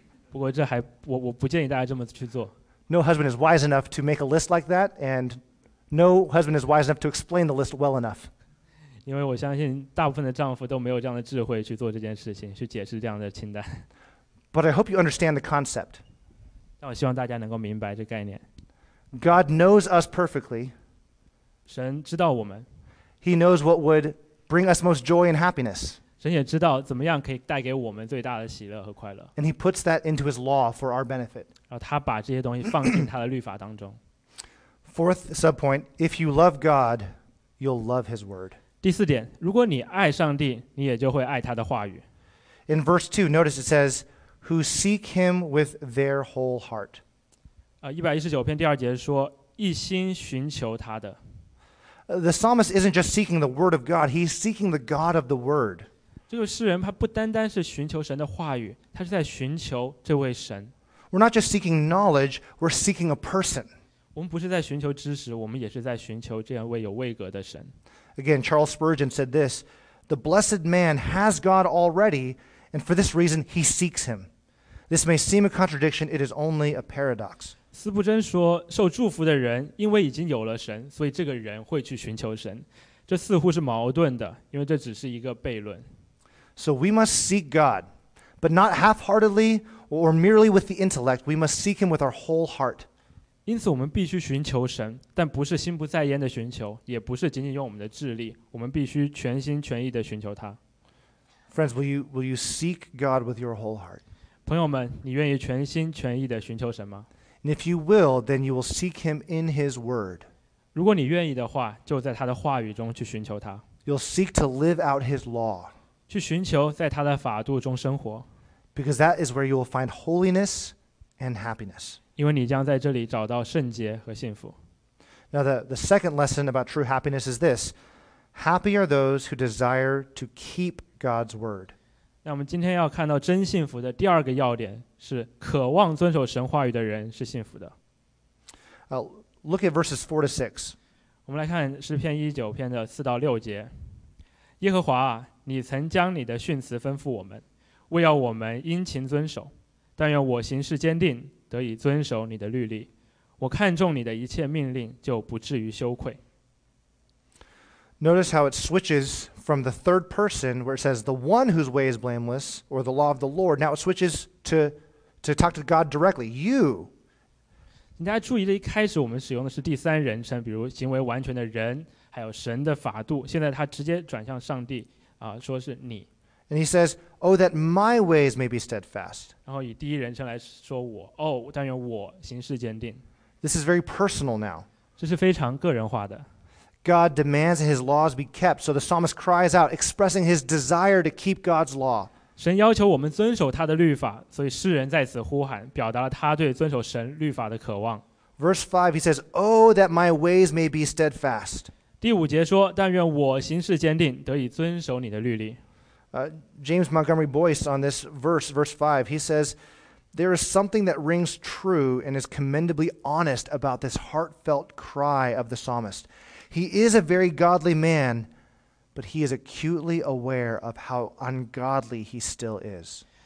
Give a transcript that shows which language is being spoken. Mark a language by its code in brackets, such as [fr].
[zh] 不过这还我不建议大家这么去做。 [en] No husband is wise enough to make a list like that, and no husband is wise enough to explain the list well enough. [zh] 因为我相信大部分的丈夫都没有这样的智慧去做这件事情，去解释这样的清单。 [en] But I hope you understand the concept. [zh] 但我希望大家能够明白这概念。 [en] God knows us perfectly. [zh] 神知道我们。 [en] He knows what would bring us most joy and happiness. [zh] 神也知道怎么样可以带给我们最大的喜乐和快乐。 [en] And he puts that into his law for our benefit. [zh] 然后他把这些东西放进他的律法当中。 [en] Fourth subpoint, if you love God, you'll love his word. [zh] 第四点，如果你爱上帝，你也就会爱他的话语。 [en] In verse 2, notice it says, "Who seek him with their whole heart." [zh] 119篇第二节说一心寻求他的。 [en] The psalmist isn't just seeking the word of God, he's seeking the God of the word. [zh] 这个诗人他不单单是寻求神的话语，他是在寻求这位神。 [en] We're not just seeking knowledge, we're seeking a person. [zh] 我们不是在寻求知识，我们也是在寻求这样位有位格的神。 [en] Again, Charles Spurgeon said this, "The blessed man has God already, and for this reason he seeks him. This may seem a contradiction, it is only a paradox." [zh] 斯布珍说受祝福的人因为已经有了神，所以这个人会去寻求神。这似乎是矛盾的，因为这只是一个悖论。 [en] So we must seek God, but not half-heartedly or merely with the intellect. We must seek him with our whole heart. [zh] 因此我们必须寻求神，但不是心不在焉的寻求，也不是仅仅用我们的智力，我们必须全心全意的寻求他。 [en] Friends, will you seek God with your whole heart? [zh] 朋友们，你愿意全心全意的寻求神吗？ [en] And if you will, then you will seek him in his word. [zh] 如果你愿意的话，就在他的话语中去寻求他。 [en] You'll seek to live out his law. [zh] 去寻求在他的法度中生活。 [en] Because that is where you will find holiness and happiness. [zh] 因为你将在这里找到圣洁和幸福。 [en] Now the second lesson about true happiness is this. Happy are those who desire to keep God's word. [zh] 那我们今天要看到真幸福的第二个要点是渴望遵守神话语的人是幸福的。 [en] Look at verses 4 to 6. [zh] 我们来看诗篇19篇的4到6节。耶和华啊，你曾将你的训词吩咐我们，为要我们殷勤遵守。但愿我行事坚定，得以遵守你的律例，我看重你的一切命令，就不至于羞愧。 [en] Notice how it switches from the third person, where it says the one whose way is blameless, or the law of the Lord. Now it switches to talk to God directly. You. [zh] 大家注意的，一开始我们使用的是第三人称，比如行为完全的人，还有神的法度。现在他直接转向上帝，说是你。 [en] And he says, "Oh, that my ways may be steadfast." [zh] 然后以第一人称来说我，哦，但愿我行事坚定。 [en] This is very personal now. [zh] 这是非常个人化的。 [en] God demands his laws be kept, so the psalmist cries out, expressing his desire to keep God's law. [zh] 神要求我们遵守他的律法，所以诗人在此呼喊，表达了他对遵守神律法的渴望。 [en] Verse 5, he says, "Oh, that my ways may be steadfast." [zh] 第五节说，但愿我行事坚定，得以遵守你的律例。 [en] James Montgomery Boyce on this verse 5, he says, there is something that rings true and is commendably honest about this heartfelt cry of the psalmist. He is a very godly man, but he is acutely aware of how ungodly he still is.